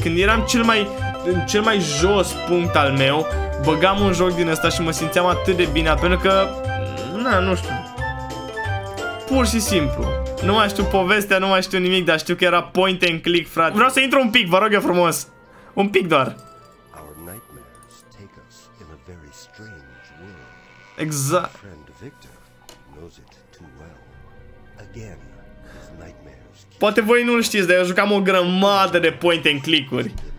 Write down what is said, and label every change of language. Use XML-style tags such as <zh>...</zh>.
<ro>Când eram cel mai jos punct al meu, băgam un joc din ăsta și mă simțeam atât de bine. Pentru că... Na, nu știu. Pur și simplu. Nu mai știu povestea, nu mai știu nimic, dar știu că era point and click, frate. Vreau să intru un pic, vă rog eu frumos. Un pic doar.</ro> <en>Our nightmares take us in a very strange world.</en> <ro>Exact.</ro> <en>Friend Victor knows it too well. Again, his nightmares.</en> <ro>Poate voi nu-l știți, dar eu jucam o grămadă de point and click-uri.</ro>